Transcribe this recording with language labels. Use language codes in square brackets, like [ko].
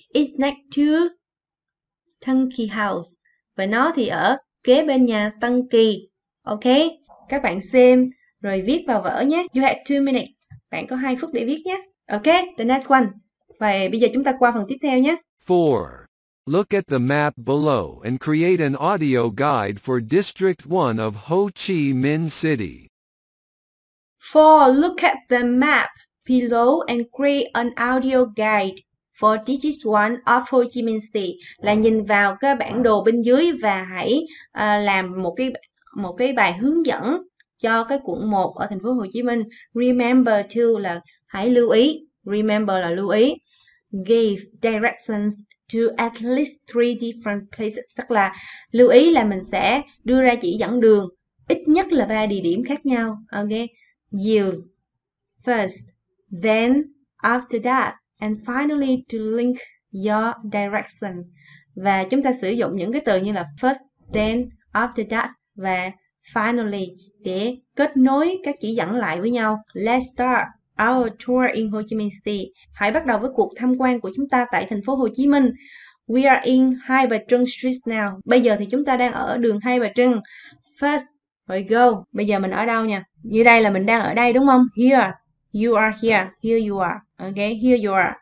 [en] It's next to Tân Kỳ House. [vi] Và nó thì ở kế bên nhà Tân Kỳ, okay? Các bạn xem rồi viết vào vở nhé. [en] You have 2 minutes. [vi] Bạn có 2 phút để viết nhé. [en] Okay, the next one. [vi] Vậy bây giờ chúng ta qua phần tiếp theo nhé. [en] 4. Look at the map below and create an audio guide for District 1 of Ho Chi Minh City. 4. Look at the map below and create an audio guide for District 1 of Ho Chi Minh City. [vi] Là nhìn vào cái bản đồ bên dưới và hãy làm một cái bài hướng dẫn cho cái quận 1 ở thành phố Hồ Chí Minh. Remember to là hãy lưu ý. Remember là lưu ý. [en] Give directions to at least 3 different places. [vi] Tức là lưu ý là mình sẽ đưa ra chỉ dẫn đường ít nhất là 3 địa điểm khác nhau. [en] Okay. Use first, then after that, and finally to link your direction. [vi] Và chúng ta sử dụng những cái từ như là first, then, after that và finally để kết nối các chỉ dẫn lại với nhau. [en] Let's start our tour in Ho Chi Minh City. [vi] Hãy bắt đầu với cuộc tham quan của chúng ta tại thành phố Hồ Chí Minh. [en] We are in Hai Bà Trưng Street now. [vi] Bây giờ thì chúng ta đang ở đường Hai Bà Trưng. First, rồi go. Bây giờ mình ở đâu nha? Như đây là mình đang ở đây đúng không? [en] Here, you are here. Here you are. Okay, here you are.